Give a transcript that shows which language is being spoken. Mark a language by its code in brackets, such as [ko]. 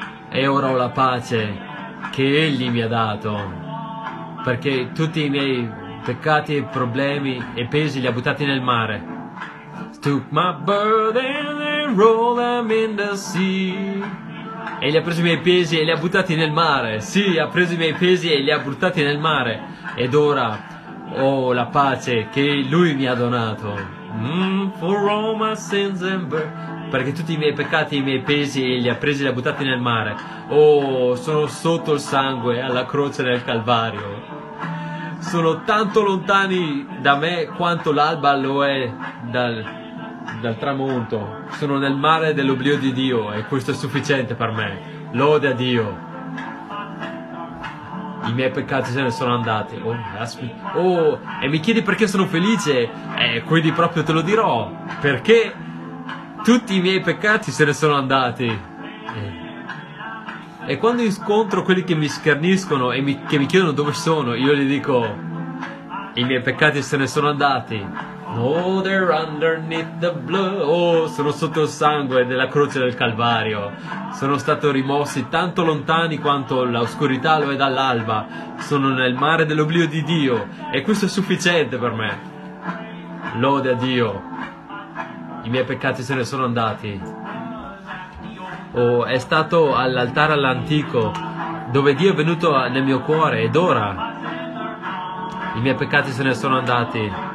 [it] E ora ho la pace che Egli mi ha dato, perché tutti i miei peccati e problemi e pesi li ha buttati nel mare. [en] Took my burden and rolled them in the sea. [it] E li ha preso i miei pesi e li ha buttati nel mare. Sì, ha preso i miei pesi e li ha buttati nel mare. Ed ora ho la pace che Lui mi ha donato. [en] For all my sins and burdens. [it] Perché tutti i miei peccati e i miei pesi li ha presi e li ha buttati nel mare. Oh, sono sotto il sangue alla croce del Calvario. Sono tanto lontani da me quanto l'alba lo è dal tramonto. Sono nel mare dell'oblio di Dio, e questo è sufficiente per me. Lode a Dio. I miei peccati se ne sono andati. Oh, e mi chiedi perché sono felice? Quindi proprio te lo dirò. Perché tutti i miei peccati se ne sono andati. E quando incontro quelli che mi scherniscono e che mi chiedono dove sono, io gli dico: i miei peccati se ne sono andati. [en] Oh, they're underneath the blood. [it] Oh, sono sotto il sangue della croce del Calvario. Sono stato rimossi tanto lontani quanto l'oscurità lo è dall'alba. Sono nel mare dell'oblio di Dio, e questo è sufficiente per me. Lode a Dio. I miei peccati se ne sono andati. Oh, è stato all'altare all'antico dove Dio è venuto nel mio cuore, ed ora i miei peccati se ne sono andati.